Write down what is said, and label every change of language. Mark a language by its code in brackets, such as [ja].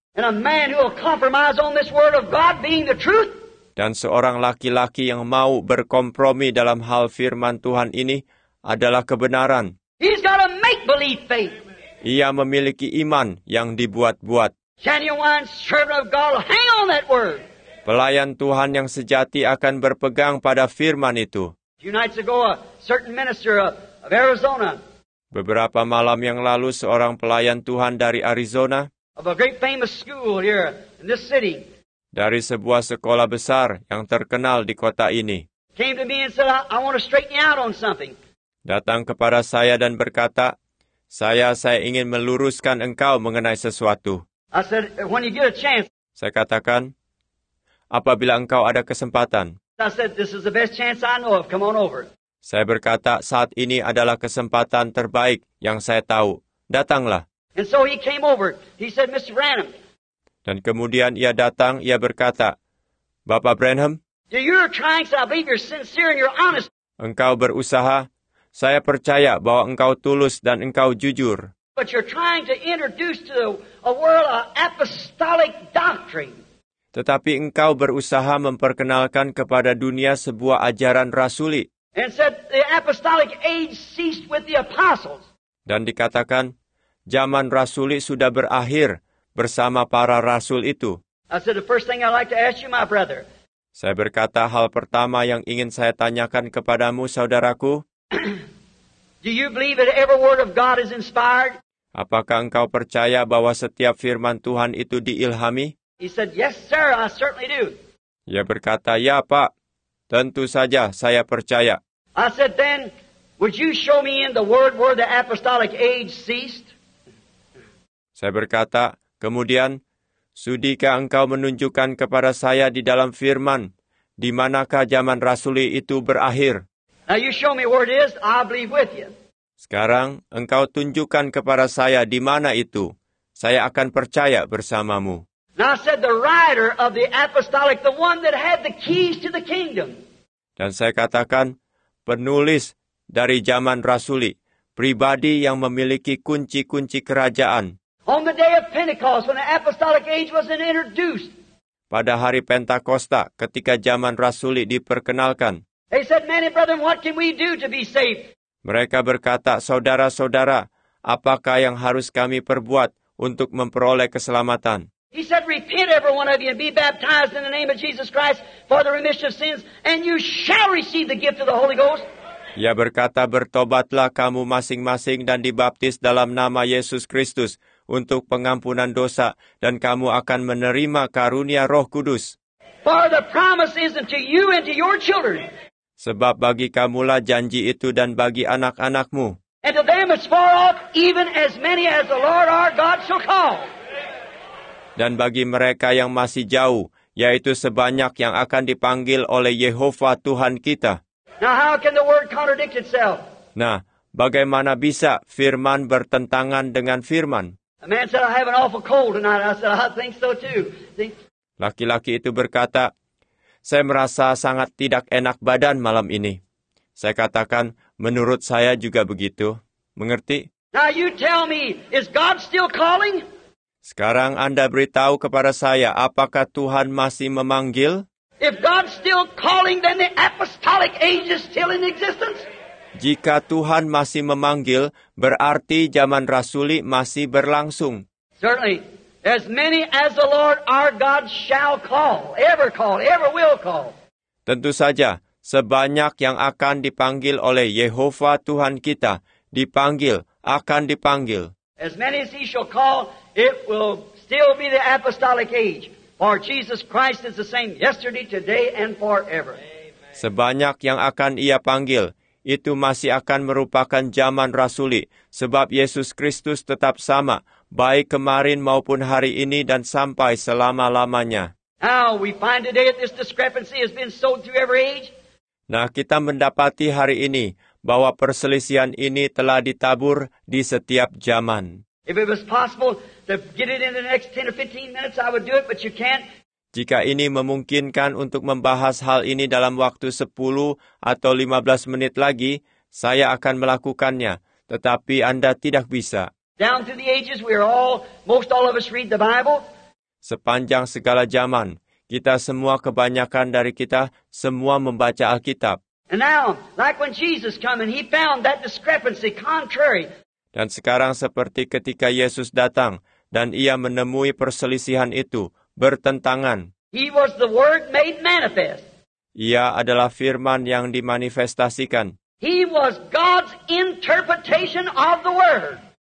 [en] And a man who will compromise on this word of God being the truth. [id] Dan seorang laki-laki yang mau berkompromi dalam hal firman Tuhan ini adalah kebenaran. [en] He's got a make-believe faith. [id] Ia memiliki iman yang dibuat-buat. [en] Genuine servant of God, hang on that word. [id] Pelayan Tuhan yang sejati akan berpegang pada firman itu. [en] Nights ago, a certain minister of Arizona. [id] Beberapa malam yang lalu, seorang pelayan Tuhan dari Arizona. [en] Of a great famous school here in this city. [id] Dari sebuah sekolah besar yang terkenal di kota ini. [en] Came to me and said, I want to straighten you out on something. [id] Datang kepada saya dan berkata, saya ingin meluruskan engkau mengenai sesuatu. [en] I said, when you get a chance. [id] Saya katakan, apabila engkau ada kesempatan. [en] I said, this is the best chance I know of. Come on over. [id] Saya berkata, saat ini adalah kesempatan terbaik yang saya tahu. Datanglah. [en] And so he came over. He said, Mr. Branham. [id] Dan kemudian ia datang, ia berkata, Bapak Branham, [en] you're trying, so I believe you're sincere and you're honest. [id] Engkau berusaha, saya percaya bahwa engkau tulus dan engkau jujur. [en] But you're trying to introduce to a world an apostolic doctrine. [id] Tetapi engkau berusaha memperkenalkan kepada dunia sebuah ajaran rasuli. [en] And said the apostolic age ceased with the apostles. [id] Dan dikatakan, zaman rasuli sudah berakhir bersama para rasul itu. [en] I said, the first thing I'd like to ask you, my brother. [id] Saya berkata, hal pertama yang ingin saya tanyakan kepadamu, saudaraku. [en] Do you believe that every word of God is inspired? [id] Apakah engkau percaya bahwa setiap firman Tuhan itu diilhami? [en] He said, yes, sir, I certainly do. [id] Ia berkata, ya, Pak, tentu saja saya percaya. [en] I said, then, would you show me in the word where the apostolic age ceased? [id] Saya berkata, kemudian, sudikah engkau menunjukkan kepada saya di dalam firman, di manakah zaman rasuli itu berakhir? [en] Now, you show me where it is, I believe with you. [id] Sekarang engkau tunjukkan kepada saya di mana itu. Saya akan percaya bersamamu. [en] Now I said the writer of the apostolic, the one that had the keys to the kingdom. [id] Dan saya katakan, penulis dari zaman rasuli, pribadi yang memiliki kunci-kunci kerajaan. [en] On the day of Pentecost, when the apostolic age was introduced. [id] Pada hari Pentakosta, ketika zaman rasuli diperkenalkan. [en] They said, "Many brethren, what can we do to be saved?" [id] Mereka berkata, "Saudara-saudara, apakah yang harus kami perbuat untuk memperoleh keselamatan?" [en] He said, "Repent, every one of you, and be baptized in the name of Jesus Christ for the remission of sins, and you shall receive the gift of the Holy Ghost." [id] Ia berkata, "Bertobatlah kamu masing-masing dan dibaptis dalam nama Yesus Kristus untuk pengampunan dosa, dan kamu akan menerima karunia Roh Kudus." [en] For the promise is unto you and to your children. [id] Sebab bagi kamulah janji itu dan bagi anak-anakmu. [en] And to them it's far off, even as many as the Lord our God shall call. [id] Dan bagi mereka yang masih jauh, yaitu sebanyak yang akan dipanggil oleh Yehova Tuhan kita. [en] Now how can the word contradict itself? [id] Nah, bagaimana bisa firman bertentangan dengan firman? [en] A man said, "I have an awful cold tonight." I said, "I think so too." [id] Laki-laki itu berkata, "Saya merasa sangat tidak enak badan malam ini." Saya katakan, "Menurut saya juga begitu." Mengerti? [en] Now you tell me, is God still calling? [id] Sekarang Anda beritahu kepada saya, apakah Tuhan masih memanggil? [en] If God's still calling, then the apostolic age is still in existence. [id] Jika Tuhan masih memanggil, berarti zaman rasuli masih berlangsung. [en] Certainly, as many as the Lord our God shall call, ever will call. [id] Tentu saja, sebanyak yang akan dipanggil oleh Yehova Tuhan kita, dipanggil, akan dipanggil. [en] As many as he shall call, it will still be the apostolic age. For Jesus Christ is the same yesterday, today, and forever. [id] Sebanyak yang akan ia panggil, itu masih akan merupakan zaman rasuli, sebab Yesus Kristus tetap sama, baik kemarin maupun hari ini dan sampai selama-lamanya. [en] Now we find today that this discrepancy has been sowed through every age. [id] Nah, kita mendapati hari ini bahwa perselisihan ini telah ditabur di setiap zaman. [en] If it was possible to get it in the next 10 or 15 minutes, I would do it, but you can't. [id] Jika ini memungkinkan untuk membahas hal ini dalam waktu 10 atau 15 menit lagi, saya akan melakukannya, tetapi Anda tidak bisa. [en] Down through the ages, most all of us read the Bible. [id] Sepanjang segala zaman, kita semua, kebanyakan dari kita, semua membaca Alkitab. [en] And now, like when Jesus came and he found that discrepancy contrary. [id] Dan sekarang seperti ketika Yesus datang dan ia menemui perselisihan itu, bertentangan. [en] He was the word made manifest. [id] Ia adalah firman yang dimanifestasikan. [en] He was God's interpretation of the word.